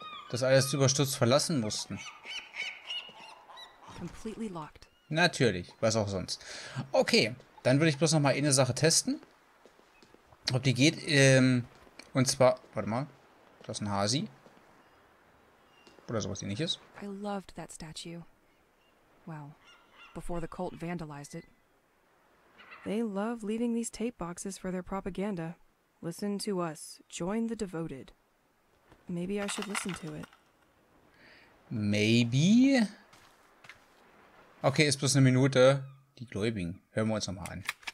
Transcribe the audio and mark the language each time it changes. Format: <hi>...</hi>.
<de>Das alles überstürzt verlassen mussten.</de> <en>Completely locked.</en> <de>Natürlich, was auch sonst. Okay, dann würde ich bloß noch mal eine Sache testen. Ob die geht, und zwar... Warte mal, das ist ein Hasi. Oder sowas ähnliches.</de> <en>I loved that statue. Well, before the cult vandalized it. They love leaving these tape boxes for their propaganda. Listen to us. Join the devoted. Maybe I should listen to it. Maybe?</en> <de>Okay, ist bloß eine Minute. Die Gläubigen. Hören wir uns nochmal an.</de>